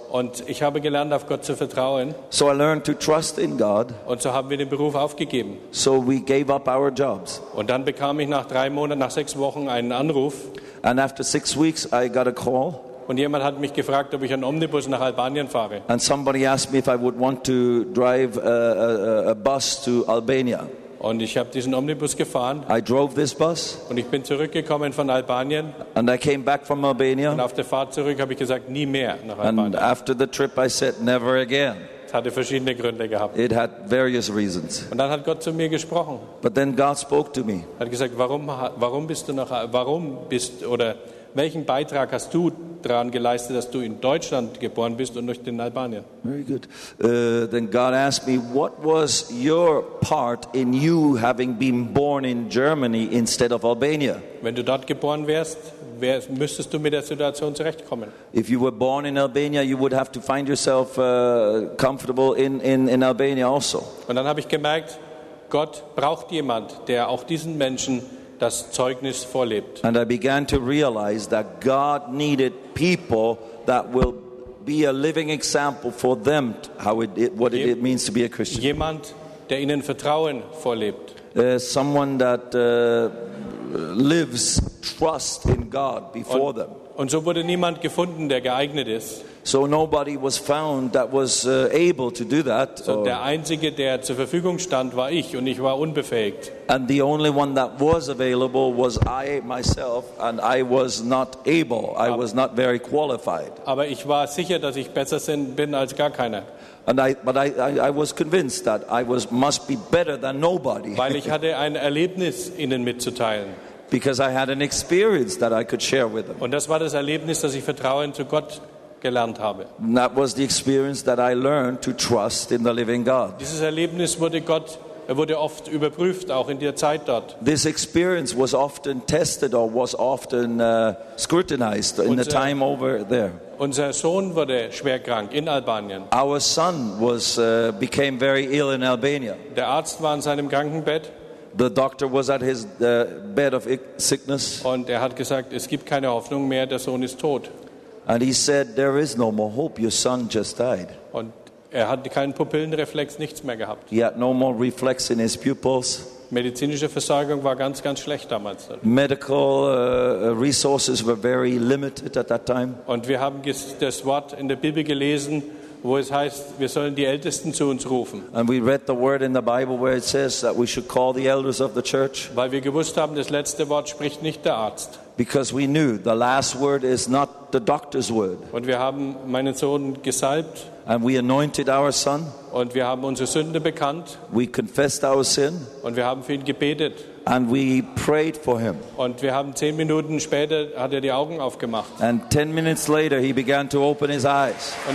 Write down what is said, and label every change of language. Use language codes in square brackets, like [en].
[de] Und ich habe gelernt, auf Gott zu vertrauen. [en] So I learned to trust in God. [de] Und so haben wir den Beruf aufgegeben. [en] So we gave up our jobs. [de] Und dann bekam ich nach 3 Monaten, nach 6 Wochen einen Anruf. [en] And after 6 weeks I got a call. [de] Und jemand hat mich gefragt, ob ich einen Omnibus nach Albanien fahre. [en] And somebody asked me if I would want to drive a bus to Albania. [de] Und ich habe diesen Omnibus gefahren. [en] I drove this bus. [de] Und ich bin zurückgekommen von Albanien. [en] And I came back from Albania. [de] Und auf der Fahrt zurück habe ich gesagt, nie mehr nach Albanien. [en] And after the trip I said, never again. [de] Es hatte verschiedene Gründe gehabt. [en] It had various reasons. [de] Und dann hat Gott zu mir gesprochen. [en] But then God spoke to me. [de] Hat gesagt, warum bist du, oder welchen Beitrag hast du daran geleistet, dass du in Deutschland geboren bist und nicht in Albanien? [en] Very good. Then God asked me, what was your part in you having been born in Germany instead of Albania? [de] Wenn du dort geboren wärst, müsstest du mit der Situation zurechtkommen. [en] If you were born in Albania, you would have to find yourself comfortable in Albania also. [de] Und dann habe ich gemerkt, Gott braucht jemand, der auch diesen Menschen das Zeugnis vorlebt. [en] And I began to realize that God needed people that will be a living example for them what it means to be a Christian. [de] Jemand, der ihnen Vertrauen vorlebt. [en] Someone that lives trust in God before them. [de] Und so wurde niemand gefunden, der geeignet ist. [en] So nobody was found that was able to do that. [de] So der einzige, der zur Verfügung stand, war ich, und ich war unbefähigt. [en] And the only one that was available was I myself, and I was not able. I was not very qualified. [de] Aber ich war sicher, dass ich besser bin als gar keiner. [en] And I was convinced that I was must be better than nobody. [de] Weil ich hatte ein Erlebnis ihnen mitzuteilen. [en] Because I had an experience that I could share with them. [de] Und das war das Erlebnis, dass ich Vertrauen zu Gott gelernt habe. [en] And that was the experience that I learned to trust in the living God. [de] Dieses Erlebnis wurde oft überprüft, auch in der Zeit dort. [en] This experience was often tested or was often scrutinized in the time over there. [de] Unser Sohn wurde schwer krank in Albanien. [en] Our son was became very ill in Albania. [de] Der Arzt war in seinem Krankenbett. [en] The doctor was at his bed of sickness. [de] Und er hat gesagt, es gibt keine Hoffnung mehr, der Sohn ist tot. [en] And he said, there is no more hope, your son just died. [de] Und er hatte keinen Pupillenreflex, nichts mehr gehabt. [en] He had no more reflex in his pupils. [de] Medizinische Versorgung war ganz, ganz schlecht damals. [en] Medical resources were very limited at that time. [de] Und wir haben das Wort in der Bibel gelesen, wo es heißt, wir sollen die Ältesten zu uns rufen. [en] And we read the word in the Bible where it says that we should call the elders of the church. [de] Weil wir gewusst haben, das letzte Wort spricht nicht der Arzt. [en] Because we knew the last word is not the doctor's word. [de] Und wir haben meinen Sohn gesalbt. [en] And we anointed our son. [de] Und wir haben unsere Sünde bekannt. [en] We confessed our sin. [de] Und wir haben für ihn gebetet. [en] And we prayed for him. [de] Und wir haben 10 Minuten später hat er die Augen aufgemacht. [en] And 10 minutes later he began to open his eyes.